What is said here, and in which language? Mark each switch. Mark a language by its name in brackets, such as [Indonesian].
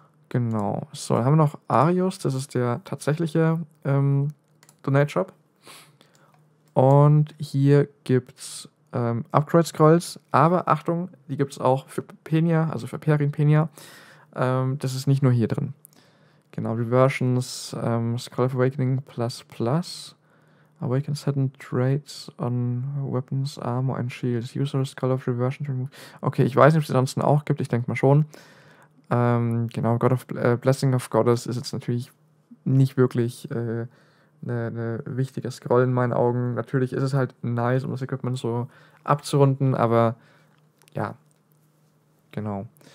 [German] Genau, so, dann haben wir noch Arius, das ist der tatsächliche Donate Shop. Und hier gibt es Upgrade-Scrolls, aber Achtung, die gibt es auch für Penya, also für Perrin Penya. Das ist nicht nur hier drin. Genau, Reversions, Scroll of Awakening plus. [English] Awaken certain traits on weapons, armor and shields. User Scroll of Reversion to remove. [German] Okay, ich weiß nicht, ob es die sonst auch gibt, ich denke mal schon. Genau, God of Blessing of Goddess ist jetzt natürlich nicht wirklich eine wichtige Scroll in meinen Augen. Natürlich ist es halt nice, um das Equipment so abzurunden, aber ja, genau.